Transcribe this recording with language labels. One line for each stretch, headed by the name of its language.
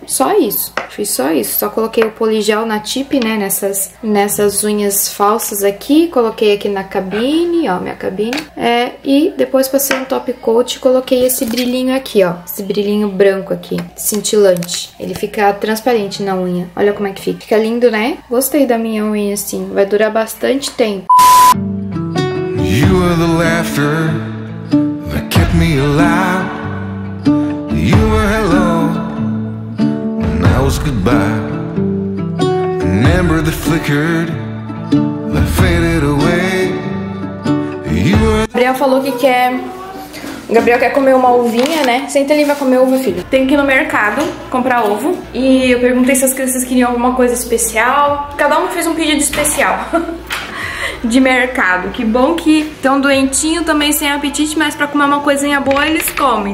Portuguese: Só isso, fiz só isso. Só coloquei o poligel na tip, né, nessas unhas falsas aqui, coloquei aqui na cabine, ó, minha cabine. E depois passei um top coat e coloquei esse brilhinho aqui, ó. Esse brilhinho branco aqui, cintilante. Ele fica transparente na unha. Olha como é que fica. Fica lindo, né? Gostei da minha unha assim. Vai durar bastante tempo.
English: You are the laughter that kept me alive. You were hello and I was goodbye. An ember that flickered that faded away.
Portuguese: Gabriel falou que quer. Gabriel quer comer uma uvinha, né? Senta ali e vai comer uva, filho. Tenho que ir no mercado comprar ovo. E eu perguntei se as crianças queriam alguma coisa especial. Cada um fez um pedido especial. De mercado. Que bom que estão doentinho, também sem apetite, mas pra comer uma coisinha boa eles comem.